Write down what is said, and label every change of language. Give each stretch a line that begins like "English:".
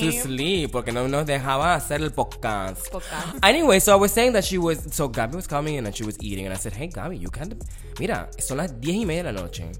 English: To sleep,
Spanish: porque no nos dejaba hacer el podcast. Podcast.
English: Anyway, so I was saying that Gabi was coming in and she was eating. And I said, hey, Gabi, you can't.
Spanish: Mira, son las 10 y media de la noche.